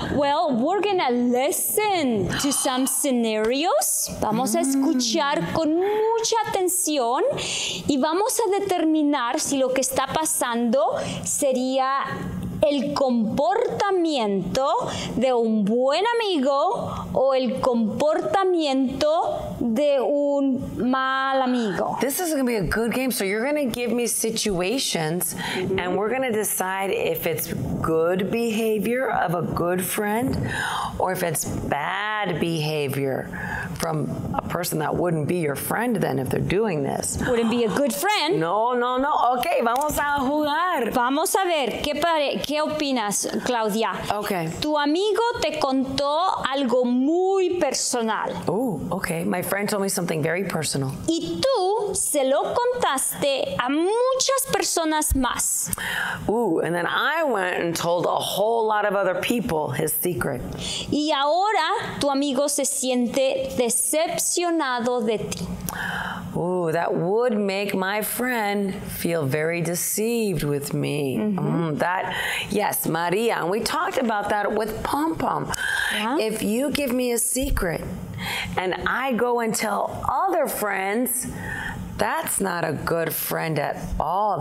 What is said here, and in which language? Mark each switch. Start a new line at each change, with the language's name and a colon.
English: Well, we're going to listen to some scenarios.
Spanish: Vamos a escuchar con mucha atención y vamos a determinar si lo que está pasando sería el comportamiento de un buen amigo o el comportamiento de un mal amigo.
English: This is going to be a good game. So you're going to give me situations and we're going to decide if it's good behavior of a good friend or if it's bad behavior from a person that wouldn't be your friend then if they're doing this. Wouldn't be a good friend.
Spanish: No. Okay, vamos a jugar. Vamos a ver qué opinas, Claudia.
English: Okay.
Spanish: Tu amigo te contó algo muy personal.
English: Oh, okay. My friend told me something very personal.
Spanish: Y tú se lo contaste a muchas personas más.
English: Ooh, and then I went and told a whole lot of other people his secret.
Spanish: Y ahora tu amigo se siente decepcionado de ti.
English: Ooh, that would make my friend feel very deceived with me. Mm-hmm. Yes, Maria, and we talked about that with Pom Pom. Yeah. If you give me a secret and I go and tell other friends, that's not a good friend at all.